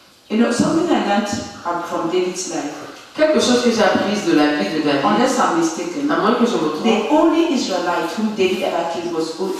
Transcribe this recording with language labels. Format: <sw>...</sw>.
<en>You know, something I learned from David's life.</en> <fr>Quelque chose que j'ai appris de la vie de David.</fr> <en>Unless I'm mistaken,</en> <fr>à moins que je me trompe.</fr> <en>The only Israelite whom David ever killed was</en>